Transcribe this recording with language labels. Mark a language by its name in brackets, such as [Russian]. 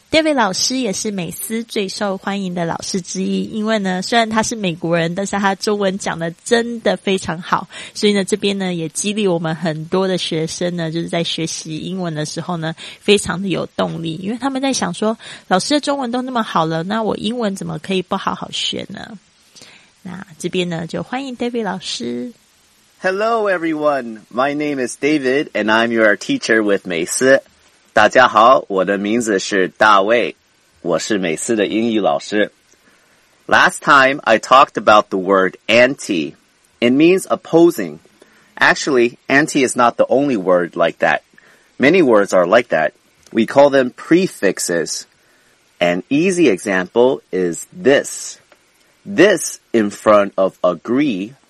[Chinese] David 老师也是美思最受欢迎的老师之一，因为呢虽然他是美国人，但是他中文讲的真的非常好，所以呢这边呢也激励我们很多的学生呢，就是在学习英文的时候呢非常的有动力，因为他们在想说，老师的中文都那么好了，那我英文怎么可以不好好学呢？那这边呢就欢迎 David 老师。 [English] Hello, everyone. My name is David, and I'm your teacher with 美思。 [Chinese] 大家好，我的名字是大卫，我是美思的英语老师。 [English] Last time, I talked about the word anti. It means opposing. Actually, anti is not the only word like that. Many words are like that. We call them prefixes. An easy example is this. This in front of agree.